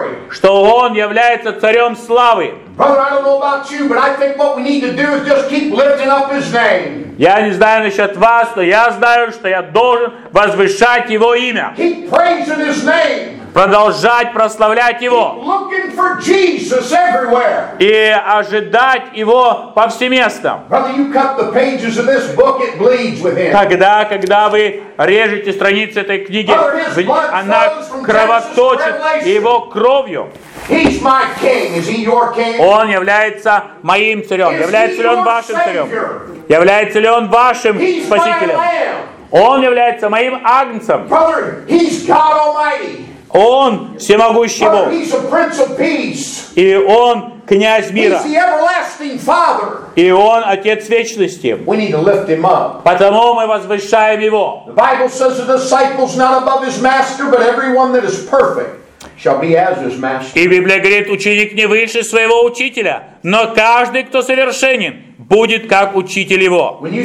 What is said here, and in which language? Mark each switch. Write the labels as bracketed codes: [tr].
[ru] Что Он является Царем Славы. [en] Brother, I don't know about you, but I think what we need to do is just keep lifting up His name. [ru] Я не знаю насчет вас, но я знаю, что я должен возвышать Его имя. [en] Keep praising His name. [ru] Продолжать прославлять Его. [en] Keep looking for Jesus everywhere. [ru] И ожидать Его повсеместно. [en] Brother, you cut the pages of this book, it bleeds with Him. [ru] Когда вы режете страницы этой книги, она кровоточит Его кровью. [en] He's my king. Is he your king? [ru] Он является моим царем. Является ли он вашим царем? Является ли он вашим спасителем? Он является моим агнцем. [en] He's God Almighty. [ru] Он всемогущий Бог. [en] He's the Prince of Peace. [ru] И он князь мира. [en] He's the everlasting Father. [ru] И он отец вечности. [en] We need to lift him up. [ru] Потому мы возвышаем его. [en] The Bible says the disciple's not above his master, but everyone that is perfect. [ru] И Библия говорит, ученик не выше своего учителя, но каждый, кто совершенен, будет как учитель его.